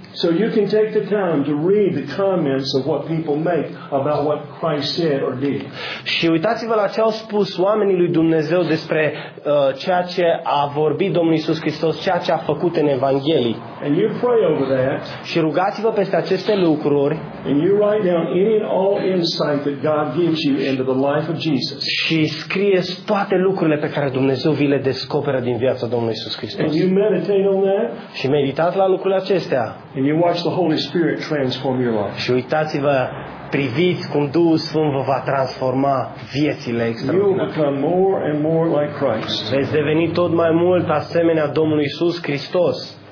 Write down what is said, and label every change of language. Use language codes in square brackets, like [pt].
[en] So you can take the time to read the comments of what people make about what Christ said or did. [ro] Și uitați-vă la ce au spus oamenii lui Dumnezeu despre ceea ce a vorbit Domnul Iisus Hristos, ceea ce a făcut în Evanghelii. [en] And you pray over that. [ro] Și rugați-vă peste aceste lucruri. [en] And you write down any and all insight that God gives you into the life of Jesus. [ro] Și scrieți toate lucrurile pe care Dumnezeu vi le descoperă din viața Domnului Iisus Hristos. [en] And you meditate on that. [ro] Și meditați la lucrurile acestea. [en] And you watch the Holy Spirit transform your life. [ro] Și uitați-vă, priviți cum Duhul Sfânt vă va transforma viețile extraordinare. [en] You will become more and more like Christ. [ro] Veți deveni tot mai mult asemenea Domnului Iisus Hristos.